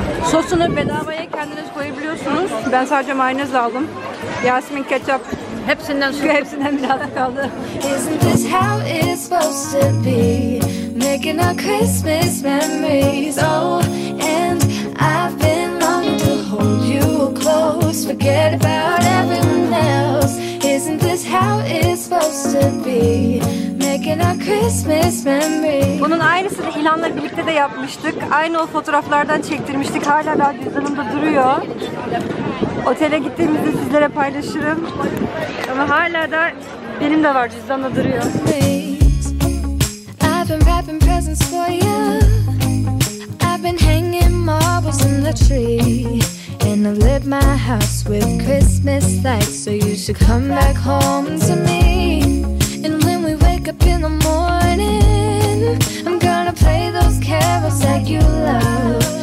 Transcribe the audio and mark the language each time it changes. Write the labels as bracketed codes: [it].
[tr] Sosunu bedavaya kendiniz koyabiliyorsunuz. Ben sadece mayonez aldım. Yasmin ketçap. Hepsinden biraz kaldı. [en] Isn't this how it's supposed to be? Making our Christmas memories. Oh, and I've been longing to hold you close. forget about everyone else. Isn't this how it's supposed to be? Making our Christmas memories. [tr] Bunun aynısını Hilal'la birlikte de yapmıştık. Aynı o fotoğraflardan çektirmiştik. Hala daha cüzdanımda duruyor. Otele gittiğimizde sizlere paylaşırım. Ama hala da benim de var, cüzdanımda duruyor. [en] I've been wrapping presents for you. I've been hanging marbles in the tree. And I've lit my house with Christmas lights. So you should come back home to me. And when we wake up in the morning, I'm gonna play those carols that you love.